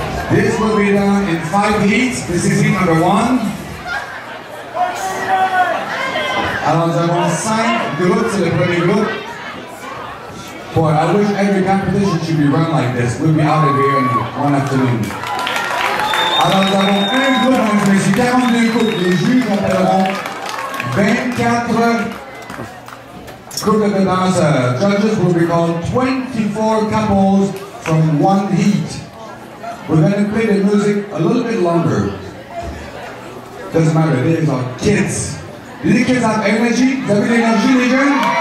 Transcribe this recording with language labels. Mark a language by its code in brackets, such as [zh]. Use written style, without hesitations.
[en] This will be done in 5 heats. This is heat number 1. [fr] Alors, nous avons 5 groupes, c'est le premier groupe. [en] Boy, I wish every competition should be run like this. We'll be out of here in one afternoon. [fr] Alors, nous avons un groupe, mesdames et messieurs, 42 groupes. Les juges appelleront 24 groupes de danseurs. [en] Judges will be called 24 couples from 1 heat. We're going to play the music a little bit longer. Doesn't matter, they are kids. Do the kids have energy? Do you have energy, Adrian?